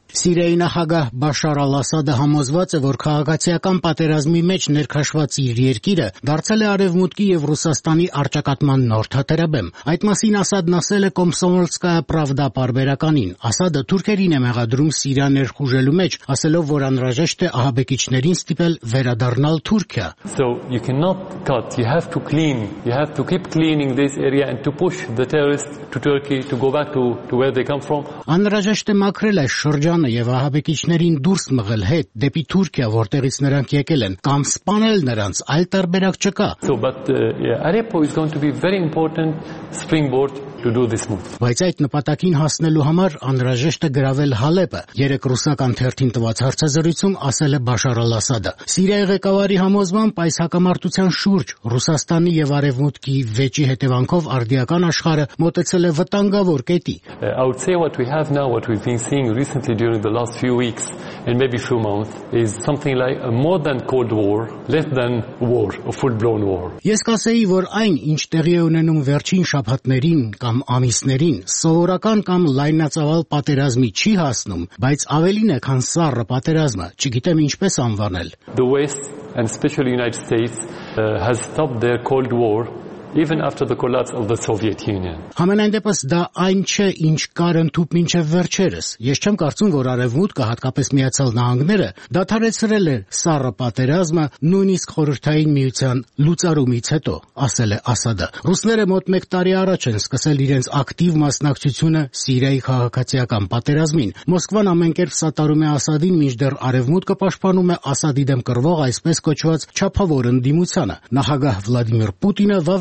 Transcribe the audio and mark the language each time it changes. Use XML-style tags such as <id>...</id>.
<hy>Սիրիայի նախագահ Բաշար ալ-Ասադը համոզված է, որ քաղաքացիական պատերազմի մեջ ներքաշված իր երկիրը դարձել է Արևմուտքի և Ռուսաստանի արճակատման նոր թատերաբեմ։ Այդ մասին Ասադն ասել է Կոմսոմոլսկայա Պրավդա պարբերականին։ Ասադը թուրքերին է մեղադրում Սիրիա ներխուժելու մեջ, ասելով, որ անհրաժեշտ է ահաբեկիչներին ստիպել վերադառնալ Թուրքիա։</hy> <en>So you cannot cut, you have to clean, you have to keep cleaning this area and to push the terrorists to Turkey to go back to where they come from։</en> <hy>Անհրաժեշտ է մաքրել այս ջանը եւ ահաբեկիչներին դուրս մղել հետ դեպի Թուրքիա, որտեղից նրանք եկել են, կամ սպանել նրանց, այլ տարբերակ չկա։</hy> <en>Aleppo is going to be very important springboard to do this move.</en> <hy>Բայց այդ նպատակին հասնելու համար անհրաժեշտ է գravel Հալեպը։ Երեք ռուսական թերթին տված հարցազրույցում ասել է Բաշար ալ-Ասադը։ Սիրիայի ղեկավարի համոզմամբ այս հակամարտության շուրջ Ռուսաստանի եւ Արևմուտքի վեճի հետևանքով արդիական աշխարհը մոտեցել է վտանգավոր կետի։</hy> <en>I would say what we have now, what we've been seeing recently during the last few weeks and maybe few months is something like a more than cold war, less than war, a full-blown war.</en> <hy>Ես կասեի, որ այն, ինչ տեղի ունենում վերջին շաբաթներին կամ ամիսներին, սովորական կամ լայնածավալ պատերազմի չի հասնում, բայց ավելին է, քան սառը պատերազմը, չգիտեմ ինչպես անվանել.</hy> <en>The West, and especially the United States, has stopped their cold war even after the collapse of the Soviet Union.</en> <hy>Համենայնդեպս դա այն չէ, ինչ կար ընդհուպ մինչև վերջերս. Ես չեմ կարծում, որ Արևմուտքը, հատկապես Միացյալ Նահանգները, դադարեցրել է սառը պատերազմը նույնիսկ խորհրդային միության լուծարումից հետո, ասել է Ասադը. Ռուսները մոտ 1 տարի առաջ են սկսել իրենց ակտիվ մասնակցությունը Սիրիայի քաղաքացիական պատերազմին։ Մոսկվան ամենքերպ սատարում է Ասադին, մինչդեռ Արևմուտքը պաշտպանում է Ասադի դեմ կռվող այսպես կոչված չափավոր ընդդիմությունը։ Նախագահ Վլադիմիր Պուտինը</hy>